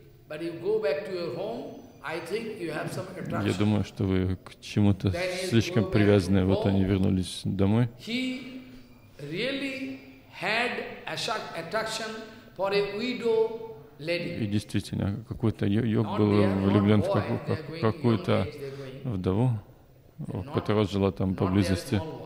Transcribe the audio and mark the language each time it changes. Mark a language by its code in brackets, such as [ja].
[en] But you go back to your home, I think you have some attraction. [ru] Я думаю, что вы к чему-то слишком привязаны. Вот они вернулись домой. [en] He really had a sharp attraction for a widow lady. [ru] И действительно, какой-то йог был влюблен в какую-то вдову. которая жила там поблизости.